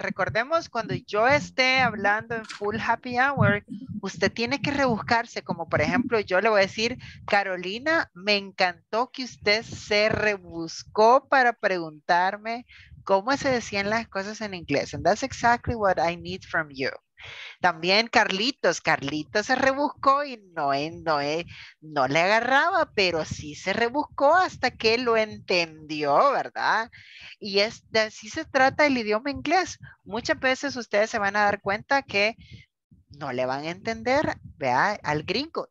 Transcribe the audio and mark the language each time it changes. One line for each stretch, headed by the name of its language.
Spanish: Recordemos cuando yo esté hablando en full happy hour, usted tiene que rebuscarse. Como por ejemplo, yo le voy a decir, Carolina, me encantó que usted se rebuscó para preguntarme cómo se decían las cosas en inglés.
English: And that's exactly what I need from you.
Spanish: También Carlitos se rebuscó y no le agarraba, pero sí se rebuscó hasta que lo entendió, ¿verdad? Y es de así se trata el idioma inglés. Muchas veces ustedes se van a dar cuenta que no le van a entender, vea, al gringo.